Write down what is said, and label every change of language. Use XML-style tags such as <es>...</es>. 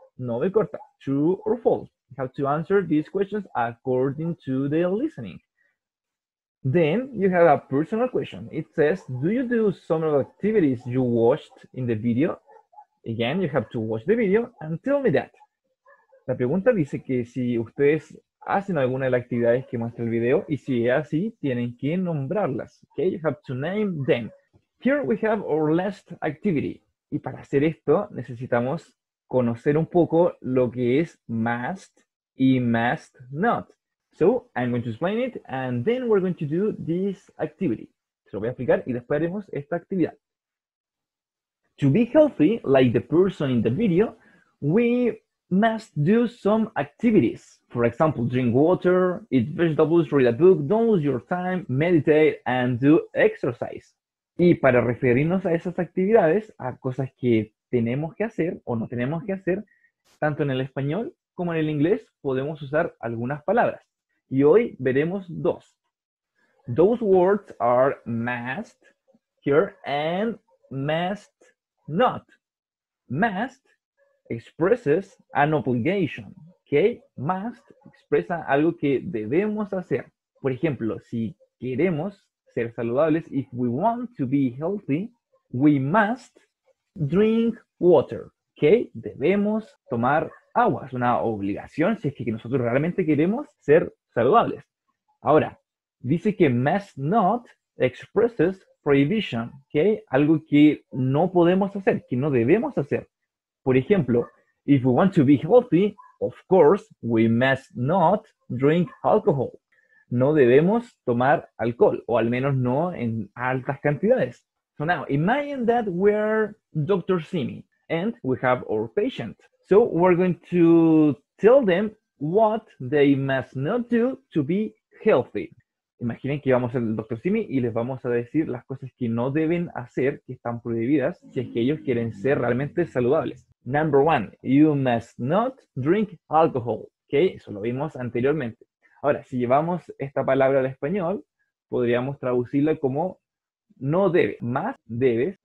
<es>No me corta,</es> <en>true or false. You have to answer these questions according to the listening. Then you have a personal question. It says, do you do some of the activities you watched in the video? Again, you have to watch the video and tell me that.</en> <es>La pregunta dice que si ustedes hacen alguna de las actividades que muestra el video y si es así, tienen que nombrarlas.</es> <en>Okay, you have to name them. Here we have our last activity.</en> <es>Y para hacer esto, necesitamos conocer un poco lo que es must y must not.</es> <en>So, I'm going to explain it and then we're going to do this activity.</en> <es>Se lo voy a explicar y después haremos esta actividad.</es> <en>To be healthy, like the person in the video, we must do some activities. For example, drink water, eat vegetables, read a book, don't lose your time, meditate and do exercise.</en> <es>Y para referirnos a esas actividades, a cosas que tenemos que hacer o no tenemos que hacer, tanto en el español como en el inglés, podemos usar algunas palabras. Y hoy veremos dos.</es> <en>Those words are must here and must not. Must expresses an obligation. Okay?</en> <es>Must expresa algo que debemos hacer. Por ejemplo, si queremos ser saludables,</es> <en>if we want to be healthy, we must drink water.</en> <es>Okay? Debemos tomar agua. Es una obligación si es que nosotros realmente queremos ser saludables. Ahora, dice que</es> <en>must not expresses prohibition, okay?</en> <es>Algo que no podemos hacer, que no debemos hacer. Por ejemplo,</es> <en>if we want to be healthy, of course, we must not drink alcohol.</en> <es>No debemos tomar alcohol, o al menos no en altas cantidades.</es> <en>So now, imagine that we're Dr. Simi, and we have our patient. So we're going to tell them what they must not do to be healthy.</en> <es>Imaginen que vamos al Dr. Simi y les vamos a decir las cosas que no deben hacer, que están prohibidas, si es que ellos quieren ser realmente saludables.</es> <en>Number one, you must not drink alcohol.</en> <es>Okay, eso lo vimos anteriormente. Ahora, si llevamos esta palabra al español, podríamos traducirla como no debe, más debes.</es>